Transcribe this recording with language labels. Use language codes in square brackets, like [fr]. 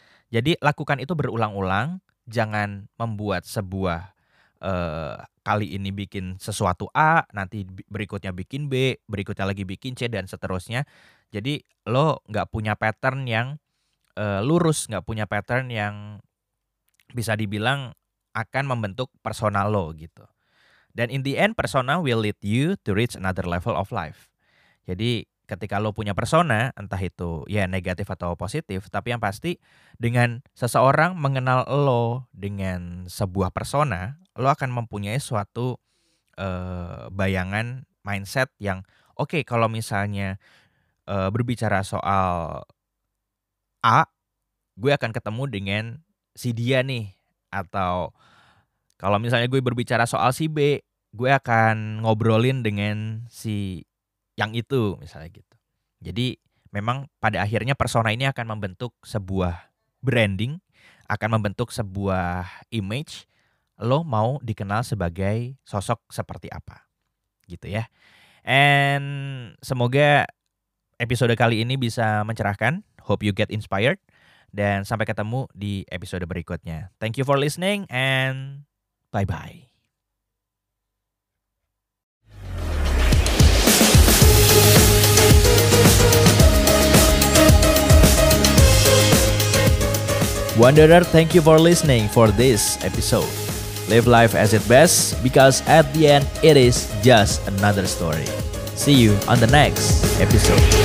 [id] Jadi, lakukan itu berulang-ulang, jangan membuat sebuah kali ini bikin sesuatu A, nanti berikutnya bikin B, berikutnya lagi bikin C, dan seterusnya. Jadi, lo gak punya pattern yang lurus, gak punya pattern yang bisa dibilang akan membentuk personal lo gitu. [en] Dan in the end, persona will lead you to reach another level of life. [id] Jadi ketika lo punya persona, entah itu ya negatif atau positif, tapi yang pasti dengan seseorang mengenal lo dengan sebuah persona, lo akan mempunyai suatu bayangan mindset yang oke, okay, kalau misalnya berbicara soal A, gue akan ketemu dengan si dia nih. Atau kalau misalnya gue berbicara soal si B, gue akan ngobrolin dengan si yang itu, misalnya gitu. Jadi memang pada akhirnya persona ini akan membentuk sebuah branding, akan membentuk sebuah image, lo mau dikenal sebagai sosok seperti apa, gitu ya. And semoga episode kali ini bisa mencerahkan. [en] Hope you get inspired. [id] Dan sampai ketemu di episode berikutnya. [en] Thank you for listening and bye-bye. Wanderer, thank you for listening for this episode. Live life as it best, because at the end, it is just another story. See you on the next episode.